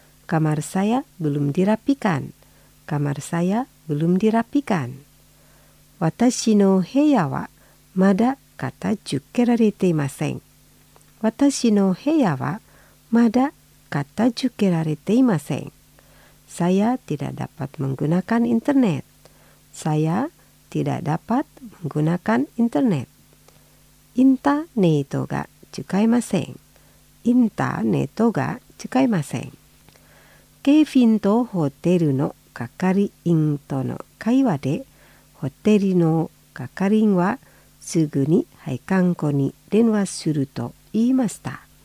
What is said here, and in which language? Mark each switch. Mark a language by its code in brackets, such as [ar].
[id] Kamar saya belum dirapikan. Kamar saya belum dirapikan. [ja] 私の部屋はまだ片付けられていません。私の部屋はまだ片付けられていません。 [id] Saya tidak dapat menggunakan internet. Saya tidak dapat menggunakan internet. [ja] Internet が使えません。Internet が使えません。ケフィンとホテルの係員との会話でホテルの係はすぐに配管庫に電話すると言いました。